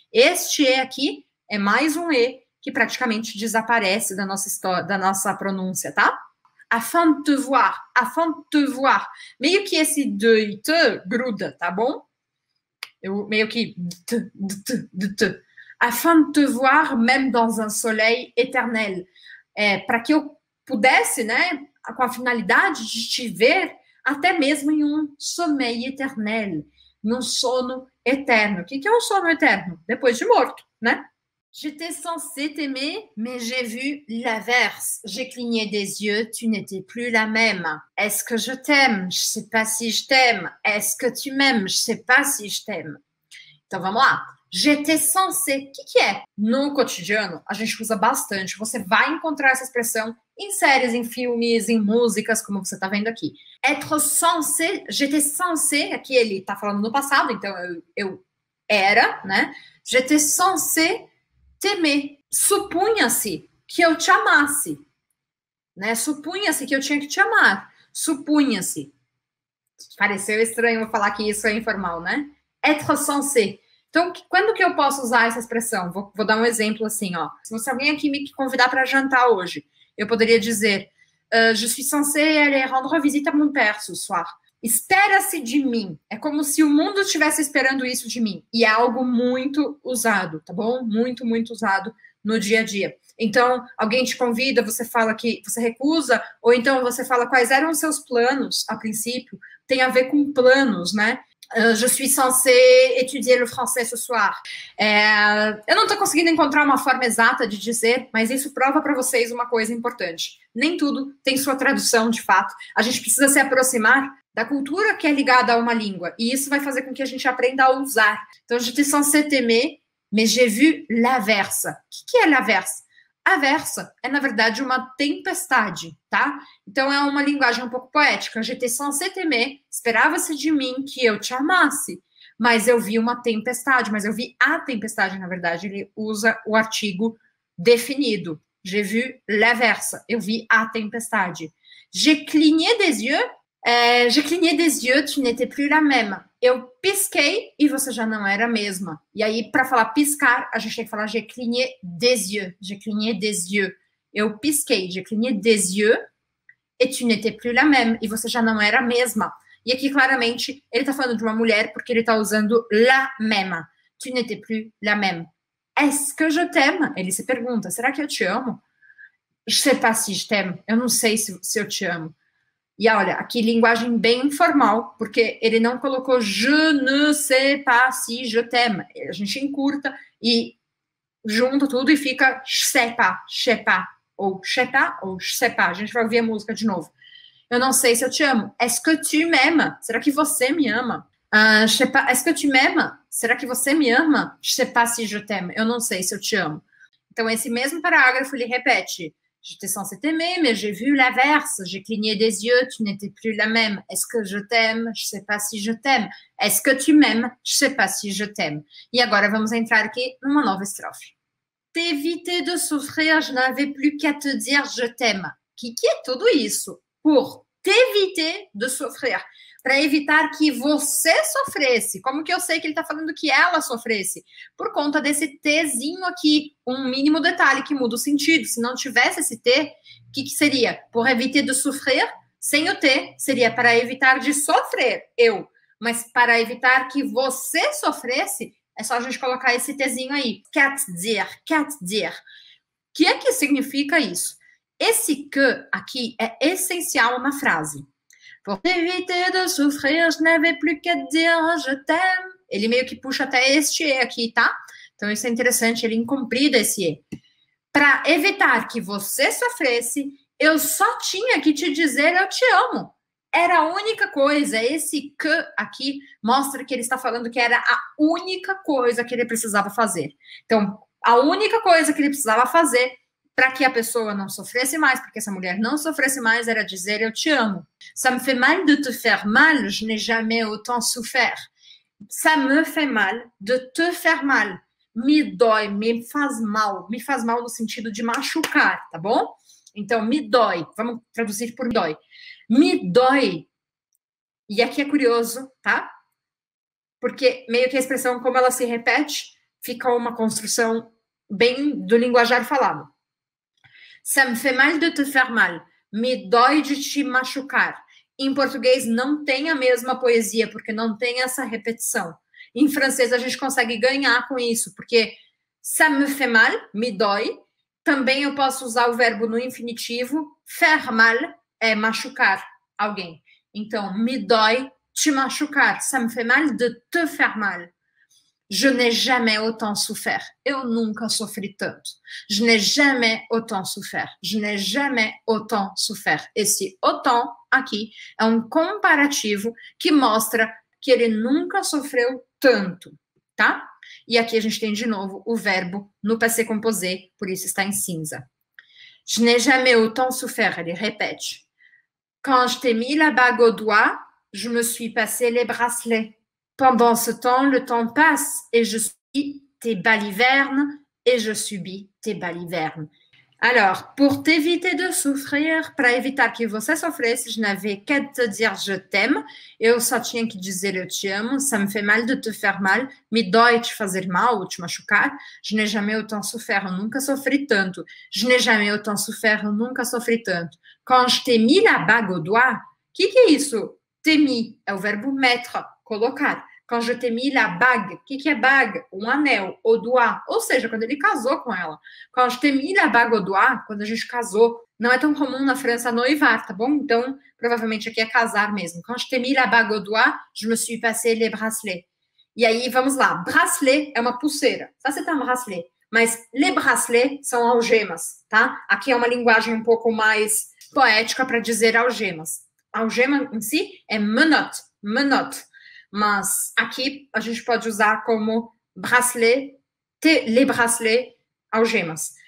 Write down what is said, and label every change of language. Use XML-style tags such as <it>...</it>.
<pt>Este E aqui é mais um E que praticamente desaparece da nossa história, da nossa pronúncia, tá?</pt> <fr>Afin de te voir, afin de te voir.</fr> <pt>Meio que esse de e te gruda, tá bom? Eu meio que de te.</pt> <fr>Afin de te voir même dans un soleil éternel.</fr> <pt>É, para que eu pudesse, né, com a finalidade de te ver até mesmo em um</pt> <fr>sommeil éternel,</fr> <pt>num sono eterno. O que é um sono eterno? Depois de morto, né?</pt> <fr>J'étais censée t'aimer, mais j'ai vu l'averse. J'ai cligné des yeux, tu n'étais plus la même. Est-ce que je t'aime? Je sais pas si je t'aime. Est-ce que tu m'aimes? Je sais pas si je t'aime.</fr> <pt>Então, vamos lá.</pt> <fr>J'étais censé.</fr> <pt>O que que é? No cotidiano, a gente usa bastante. Você vai encontrar essa expressão em séries, em filmes, em músicas, como você está vendo aqui.</pt> <fr>Être censé, j'étais censé,</fr> <pt>aqui ele está falando no passado, então eu era, né?</pt> <fr>J'étais censé t'aimer.</fr> <pt>Supunha-se que eu te amasse, né? Supunha-se que eu tinha que te amar. Supunha-se. Pareceu estranho eu falar que isso é informal, né?</pt> <fr>Être censé.</fr> <pt>Então, quando que eu posso usar essa expressão? Vou dar um exemplo assim, ó. Se você alguém aqui me convidar para jantar hoje, eu poderia dizer:</pt> <fr>Je suis censée aller rendre visite à mon père ce soir.</fr> <pt>Espera-se de mim. É como se o mundo estivesse esperando isso de mim. E é algo muito usado, tá bom? Muito, muito usado no dia a dia. Então, alguém te convida, você fala que você recusa, ou então você fala quais eram os seus planos a princípio. Tem a ver com planos, né?</pt> <fr>Je suis censée étudier le français ce soir.</fr> <pt>Eu não estou conseguindo encontrar uma forma exata de dizer, mas isso prova para vocês uma coisa importante. Nem tudo tem sua tradução de fato. A gente precisa se aproximar da cultura que é ligada a uma língua, e isso vai fazer com que a gente aprenda a usar. Então,</pt> <fr>je suis censée t'aimer, mais j'ai vu l'averse.</fr> <pt>O que é l'averse? Aversa é, na verdade, uma tempestade, tá? Então, é uma linguagem um pouco poética.</pt> <fr>J'étais censé t'aimer,</fr> <pt>esperava-se de mim que eu te amasse, mas eu vi uma tempestade, mas eu vi a tempestade, na verdade. Ele usa o artigo definido.</pt> <fr>J'ai vu l'averse, eu vi a tempestade. J'ai cligné des yeux, j'ai cligné des yeux, tu n'étais plus la même.</fr> <pt>Eu pisquei e você já não era a mesma. E aí, para falar piscar, a gente tem que falar je clignais des yeux.</pt> <fr>Je clignais des yeux.</fr> <pt>Eu pisquei,</pt> <fr>je clignais des yeux et tu n'étais plus la même.</fr> <pt>E você já não era a mesma. E aqui, claramente, ele está falando de uma mulher porque ele está usando la même.</pt> <fr>Tu n'étais plus la même. Est-ce que je t'aime?</fr> <pt>Ele se pergunta, será que eu te amo?</pt> <fr>Je sais pas si je t'aime.</fr> <pt>Eu não sei se eu te amo. E olha, aqui linguagem bem informal, porque ele não colocou</pt> <fr>je ne sais pas si je t'aime.</fr> <pt>A gente encurta e junta tudo e fica</pt> <fr>je sais pas, ou je sais pas.</fr> <pt>A gente vai ouvir a música de novo. Eu não sei se eu te amo.</pt> <fr>Est-ce que tu m'aimes?</fr> <pt>Será que você me ama?</pt> <fr>Je sais pas. Est-ce que tu m'aimes?</fr> <pt>Será que você me ama?</pt> <fr>Je sais pas si je t'aime.</fr> <pt>Eu não sei se eu te amo. Então, esse mesmo parágrafo ele repete.</pt> <fr>J'étais censée t'aimer, mais j'ai vu l'averse. J'ai cligné des yeux, tu n'étais plus la même. Est-ce que je t'aime? Je sais pas si je t'aime. Est-ce que tu m'aimes? Je sais pas si je t'aime.</fr> <pt>E agora vamos entrar aqui numa nova estrofe.</pt> <fr>T'éviter de souffrir, je n'avais plus qu'à te dire je t'aime.</fr> <pt>Que é tudo isso?</pt> <fr>Por t'éviter de souffrir.</fr> <pt>Para evitar que você sofresse. Como que eu sei que ele está falando que ela sofresse? Por conta desse tzinho aqui, um mínimo detalhe que muda o sentido. Se não tivesse esse t, que seria?</pt> <fr>Por éviter de souffrir,</fr> <pt>sem o t, seria para evitar de sofrer eu. Mas para evitar que você sofresse, é só a gente colocar esse tzinho aí. Quer dizer, que é que significa isso? Esse que aqui é essencial na frase.</pt> <fr>Pour t'éviter de souffrir, je n'avais plus qu'à dire je t'aime.</fr> <pt>Ele meio que puxa até este E aqui, tá? Então isso é interessante, ele incomprida esse E. Para evitar que você sofresse, eu só tinha que te dizer eu te amo. Era a única coisa. Esse que aqui mostra que ele está falando que era a única coisa que ele precisava fazer. Então, a única coisa que ele precisava fazer para que a pessoa não sofresse mais, porque essa mulher não sofresse mais, era dizer eu te amo.</pt> <fr>Ça me fait mal de te faire mal, je n'ai jamais autant souffert. Ça me fait mal de te faire mal.</fr> <pt>Me dói, me faz mal. Me faz mal no sentido de machucar, tá bom? Então, me dói. Vamos traduzir por dói. Me dói. E aqui é curioso, tá? Porque meio que a expressão, como ela se repete, fica uma construção bem do linguajar falado.</pt> <fr>Ça me fait mal de te faire mal.</fr> <pt>Me dói de te machucar. Em português não tem a mesma poesia, porque não tem essa repetição. Em francês a gente consegue ganhar com isso, porque</pt> <fr>ça me fait mal,</fr> <pt>me dói. Também eu posso usar o verbo no infinitivo.</pt> <fr>Faire mal</fr> <pt>é machucar alguém. Então, me dói te machucar.</pt> <fr>Ça me fait mal de te faire mal. Je n'ai jamais autant souffert.</fr> <pt>Eu nunca sofri tanto.</pt> <fr>Je n'ai jamais autant souffert. Je n'ai jamais autant souffert.</fr> <pt>Esse autant aqui é um comparativo que mostra que ele nunca sofreu tanto, tá? E aqui a gente tem de novo o verbo no passé composé, por isso está em cinza.</pt> <fr>Je n'ai jamais autant souffert,</fr> <pt>ele repete.</pt> <fr>Quand je t'ai mis la bague au doigt, je me suis passé les bracelets. Pendant ce temps, le temps passe et je suis tes balivernes et je subis tes balivernes. Alors, pour t'éviter de souffrir,</fr> <pt>para evitar que você sofresse,</pt> <fr>je n'avais qu'à te dire je t'aime.</fr> <pt>Eu só tinha que dizer eu te amo.</pt> <fr>Ça me fait mal de te faire mal.</fr> <pt>Me dói te fazer mal ou te machucar.</pt> <fr>Je n'ai jamais autant souffert.</fr> <pt>Eu nunca sofri tanto.</pt> <fr>Je n'ai jamais autant souffert.</fr> <pt>Eu nunca sofri tanto.</pt> <fr>Quand je t'ai mis la bague au doigt.</fr> <pt>Que é isso? T'ai mis é o verbo mettre, colocar.</pt> <fr>Quand je t'ai mis la bague,</fr> <pt>que é bague? Um anel, au doigt, ou seja, quando ele casou com ela.</pt> <fr>Quand je t'ai mis la bague au doigt,</fr> <pt>quando a gente casou, não é tão comum na França noivar, tá bom? Então, provavelmente aqui é casar mesmo.</pt> <fr>Quand je t'ai mis la bague au doigt, je me suis passé les bracelets.</fr> <pt>E aí, vamos lá, bracelet é uma pulseira, tá? Você tá um bracelet, mas les bracelets são algemas, tá? Aqui é uma linguagem um pouco mais poética para dizer algemas. Algema em si é menotte, menotte. Mas aqui a gente pode usar como bracelet, les bracelets, algemas.</pt>